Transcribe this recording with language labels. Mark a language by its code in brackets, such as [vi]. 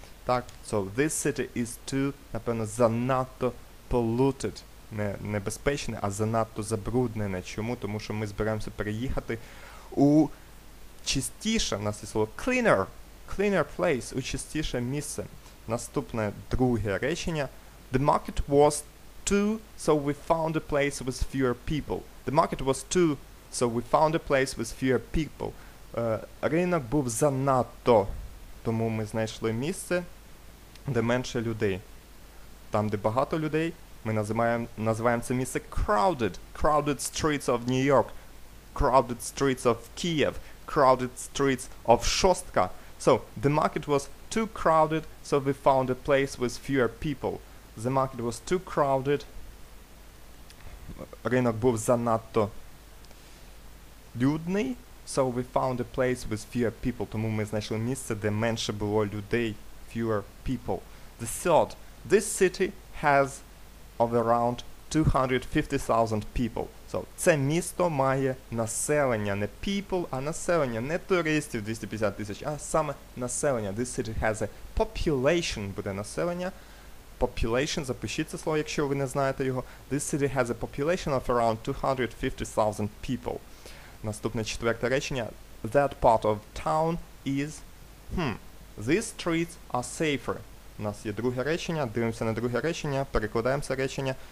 [en] Так, so this city is too, [uk] напевно, занадто [en] polluted. [uk] Не небезпечне, а занадто забруднене. Чому? Тому що ми збираємося переїхати у... Чистіше, у нас є слово cleaner, [en] cleaner place, [uk] у чистіше місце. Наступне, друге речення. [en] The market was too, so we found a place with fewer people. The market was too, so we found a place with fewer people. [uk] Ринок був занадто, тому ми знайшли місце, де менше людей. Там, де багато людей, ми називаємо це місце crowded. [en] Crowded streets of New York, crowded streets of Kiev. Crowded streets of Шостка. So, the market was too crowded, so we found a place with fewer people. The market was too crowded. [uk] Ринок був занадто людний, [en] so we found a place with fewer people. [uk] Тому ми знайшли місце, де менше було людей, [en] fewer people. The third, this city has of around 250,000 people. [uk] So, це місто має населення, не people, а населення, не туристів 250 тисяч, а саме населення. [en] This city has a population, [uk] буде населення. Population, запишіть це слово, якщо ви не знаєте його. [en] This city has a population of around 250,000 people. [uk] Наступне четверте речення. [en] That part of town is... These streets are safer. [uk] У нас є друге речення, дивимося на друге речення, перекладаємо це речення.